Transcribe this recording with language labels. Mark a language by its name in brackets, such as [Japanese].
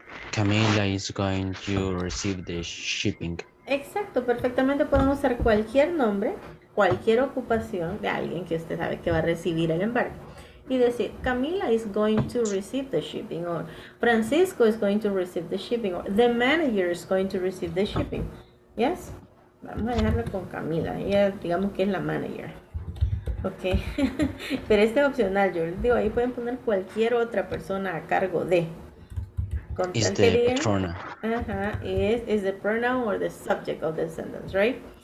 [English] Camila is going to receive the shipping. [Spanish] Exacto, perfectamente podemos usar cualquier nombre, cualquier ocupación de alguien que usted sabe que va a recibir el embarque. Y decir, [English] Camila is going to receive the shipping, or Francisco is going to receive the shipping, or the manager is going to receive the shipping. Yes? [Spanish] Vamos a dejarlo con Camila, ella digamos que es la manager. Ok, pero este es opcional, yo les digo, ahí pueden poner cualquier otra persona a cargo de. [English] Is the pronoun. Is the pronoun or the subject of the sentence, right?